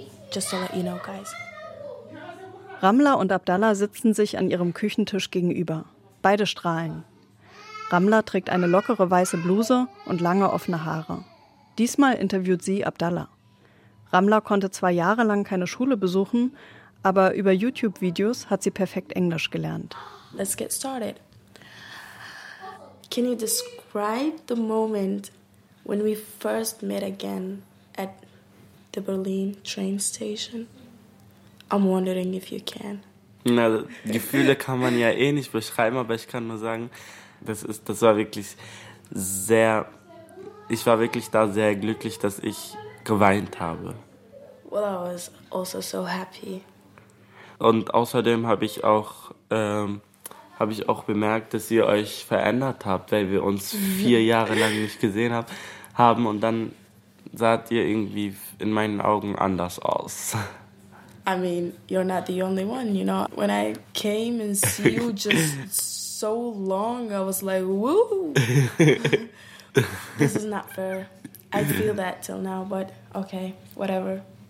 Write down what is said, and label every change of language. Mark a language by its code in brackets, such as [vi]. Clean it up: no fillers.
[en] Just to let you know, guys. [de] Ramla und Abdallah sitzen sich an ihrem Küchentisch gegenüber. Beide strahlen. Ramla trägt eine lockere weiße Bluse und lange offene Haare. Diesmal interviewt sie Abdallah. Ramla konnte 2 Jahre lang keine Schule besuchen, aber über YouTube-Videos hat sie perfekt Englisch gelernt. [en] Let's get started. Can you describe the moment when we first met again at the Berlin train station? I'm wondering if you can. [de] Na, Gefühle kann man ja eh nicht beschreiben, aber ich kann nur sagen, ich war wirklich da sehr glücklich, dass ich geweint habe. [en] Well, I was also so happy. [de] Und außerdem habe ich auch bemerkt, dass ihr euch verändert habt, weil wir uns 4 Jahre lang nicht gesehen haben und dann saht ihr irgendwie in meinen Augen anders aus. [en] I mean, you're not the only one, you know. When I came and see you just so long, I was like, woo! This is not fair. I feel that till now, but okay, whatever.